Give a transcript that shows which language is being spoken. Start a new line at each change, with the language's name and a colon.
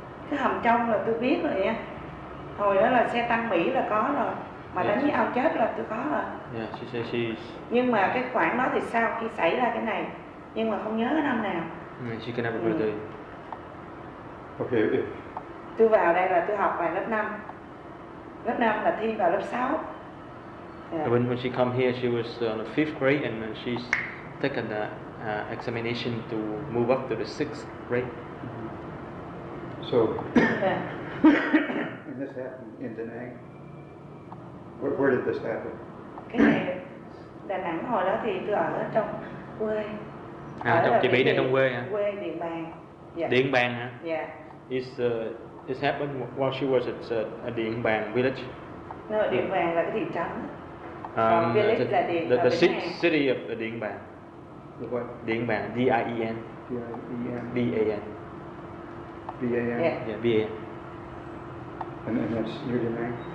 Vietnamese: Cái hầm trong là tôi biết rồi nha. Hồi đó là xe tăng Mỹ là có rồi. Mà đánh với ao chết là tôi có rồi.
English: Yeah, she says she's...
Vietnamese: Nhưng mà cái khoảng đó thì sao khi xảy ra cái này. Nhưng mà không nhớ cái năm nào.
English: She can have a birthday. Okay.
Vietnamese: Tôi vào đây là tôi học vào lớp 5. Lớp 5 là thi vào lớp 6.
English: Yeah. When she come here, she was in the 5th grade and she's taken the examination to move up to the 6th grade. So, and this happened in Da Nang. Where did this happen?
Vietnamese: Cái này Đà Nẵng hồi đó thì tôi ở trong quê. À, ở trong chị Mỹ này trong quê hả? Quê Điện Bàn. Yeah. Điện Bàn hả?
English: Yeah. This happened while she was at a Điện Bàn village.
Vietnamese: No, Điện Bàn là cái thị trấn.
English: Village là Điện. The city of the Điện Bàn. The what? Điện Bàn. D-I-E-N. D-I-E-N. B-A-N? Yeah, B-A-N. And then that's near Da Nang?